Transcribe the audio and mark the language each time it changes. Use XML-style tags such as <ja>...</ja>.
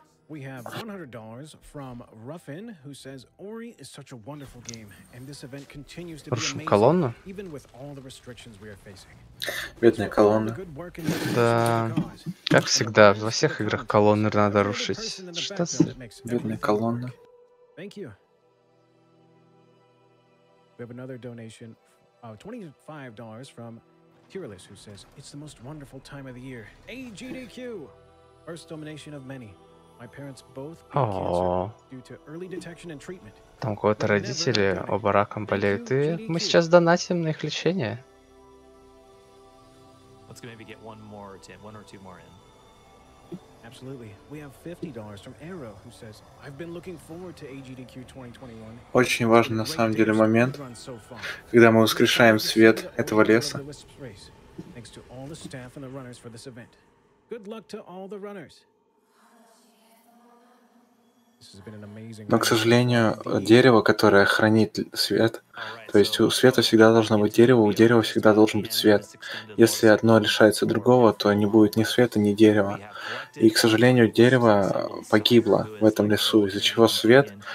<en>We have $100 from Ruffin, who says Ori is such a wonderful game, and this event continues to be amazing, even with all the restrictions we are facing.</en> <ru>Бедная колонна. Да, как всегда, во всех играх колонны надо рушить. Что с... Бедная колонна.</ru> <en>Thank you. We have another donation of $25 from Kirillis, who says it's the most wonderful time of the year. AGDQ! First domination of many. My parents both due to early detection and treatment.</en> <ru>Там кого-то родители оба раком болеют, и мы сейчас донатим на их лечение.</ru> <en>Let's maybe get one more, Tim, one or two more in. Absolutely. We have $50 from Arrow, who says, I've been looking forward to AGDQ 2021.</en> <ru>Очень важный на самом деле момент, когда мы воскрешаем свет этого леса.</ru> <en>Thanks to all the staff and the runners for this event. Good luck to all the runners.</en> <ru>Но, к сожалению, дерево, которое хранит свет, то есть у света всегда должно быть дерево, у дерева всегда должен быть свет. Если одно лишается другого, то не будет ни света, ни дерева. И, к сожалению, дерево погибло в этом лесу, из-за чего свет...</ru>